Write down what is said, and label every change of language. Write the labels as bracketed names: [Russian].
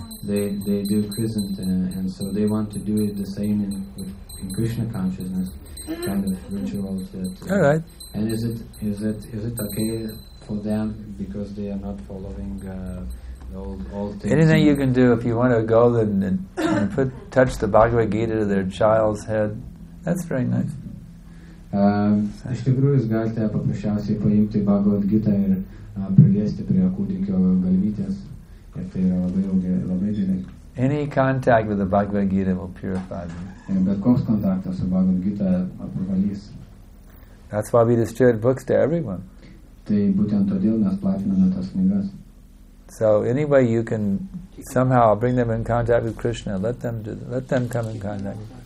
[English] They do Krishna, and so they want to do it the same in Krishna consciousness, kind of rituals. That, all right. And is it okay for them, because they are not following all anything you can do, if you want to go and put touch the Bhagavad Gita to their child's head, that's very nice. [Lithuanian] Iš tikrųjų, jūs galite paprasčiausiai paimti Bhagavad Gita ir priliesti prie kūdikio galvytės, ir tai yra labai gerai. [English] Any contact with the Bhagavad Gita will purify them. [Lithuanian] Bet koks kontaktas su Bhagavad Gita apvalys. [English] That's why we distribute books to everyone. [Lithuanian] Tai būtent todėl mes platiname tas knygas. [English] So any way you can somehow bring them in contact with Krishna, let them come in contact.